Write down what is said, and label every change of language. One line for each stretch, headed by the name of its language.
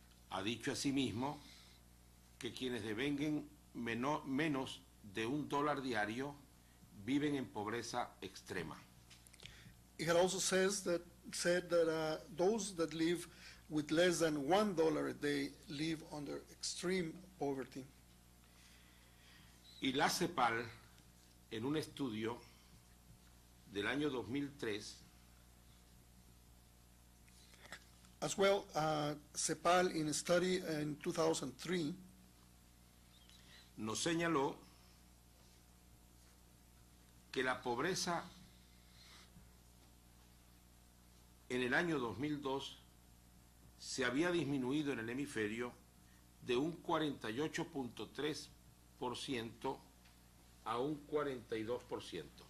Spanish: Ha dicho asimismo que quienes devengan menos de $1 diario viven en pobreza extrema.
English: It also says that those that live with less than $1 a day live under extreme poverty.
Spanish: Y la CEPAL, en un estudio del año 2003,
English: as well, CEPAL in a study in 2003,
Spanish: nos señaló que la pobreza en el año 2002 se había disminuido en el hemisferio de un 48.3% a un 42%.